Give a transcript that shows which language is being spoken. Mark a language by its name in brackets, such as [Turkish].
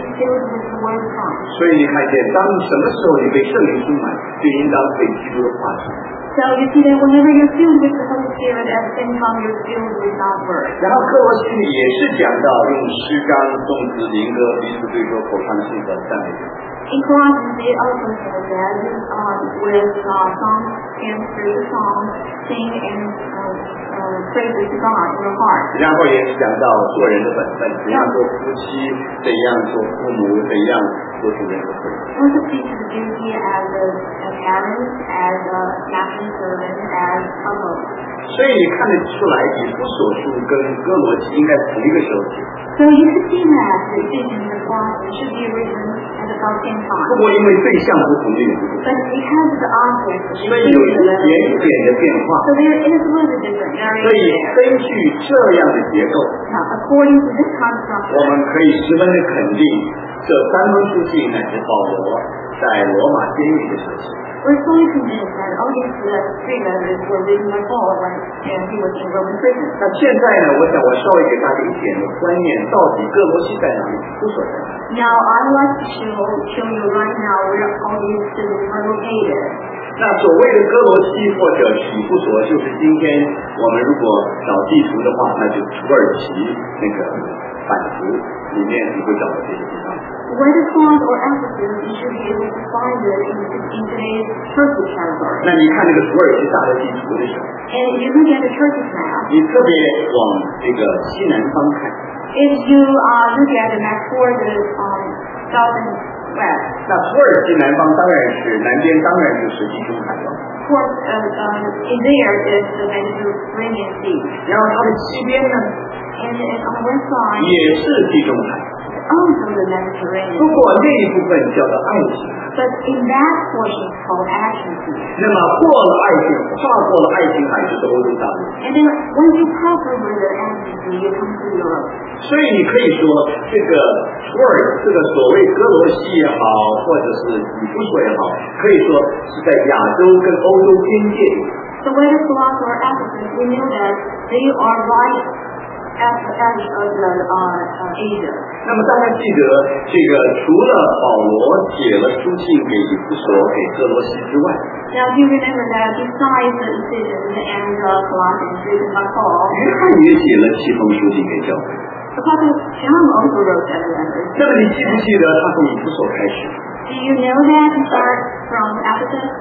[Chinese] 所以你看见，当什么时候你被圣灵充满，就应当被基督的话充满。 [English] So you see that whenever you're filled with the Holy Spirit, at the same time you're filled with God's word. [Chinese] 然后哥罗西也是讲到用诗歌、颂词、民歌彼此对说，口唱心得赞美。 [English] In Colossians, it also says that with songs and spiritual songs, sing and praise to God in your heart. [Chinese] 然后也是讲到做人的本分，怎样做夫妻，怎样做父母，怎样做主人的本分。 [English] Also teaches the duty as a parent, as a master servant, as a host. [Chinese] 所以你看得出来，以弗所书跟哥罗西应该同一个时候写。 [English] So you can see that the vision of God should be written at about the same time. [Chinese] 不过因为对象不同的缘故。 [English] But because the author, [Chinese] 所以有一点点的变化。 [English] So there is a little bit different. [Chinese] 所以根据这样的结构， [English] Now, according to this construct, [Chinese] 我们可以十分的肯定，这三封书信乃是保罗在罗马监狱的时候写。 [English] We're fully convinced that all these three letters were written by Paul when he was in Roman prison. [Chinese] 那现在呢，我想我稍微给大家一点的观念，到底哥罗西在哪里，不说。 [English] Now I'd like to show you right now where all these three are located. [Chinese] 那所谓的哥罗西或者以弗所，就是今天我们如果找地图的话，那就土耳其那个版图里面你会找到这些地方。 [English] Where the font or emphasis, you should be able to find it in today's Turkey category. [Chinese] 那你看那个土耳其大的地图的时候 [English] ，And you look at the Turkish map. [Chinese] 你特别往这个西南方看。 [English] If you look at the map for the southern. [Chinese] 那土耳其南方当然是南边，当然就是地中海了。 [English] In there is the Mediterranean Sea. [Chinese] 然后它的西边呢 [English] ？And on one side [Chinese] 也是地中海。 [English] Also the Mediterranean. [Chinese] 不过那一部分叫做爱琴。 [English] But in that portion is called Action Sea. [Chinese] 那么过了爱琴，跨过了爱琴海就是欧洲大陆。 [English] And then when you cross over the Action Sea, you come to Europe. [Chinese] 所以你可以说这个土耳这个所谓哥罗西也好，或者是以弗所也好，可以说是在亚洲跟欧洲边界。 [English] So whether Colossae or Ephesus, we know that they are right at the edge of the Asia. [Chinese] 那么大家记得，这个除了保罗写了书信给以弗所、给哥罗西之外。 [English] Now, do you remember that besides the decision and the Colossians written by Paul, [Chinese] 约翰也写了七封书信给教会。 [English] Apostle John also wrote that letter. [Chinese] 那么你记不记得他从以弗所开始 [English] ？Do you know that he starts from Ephesus?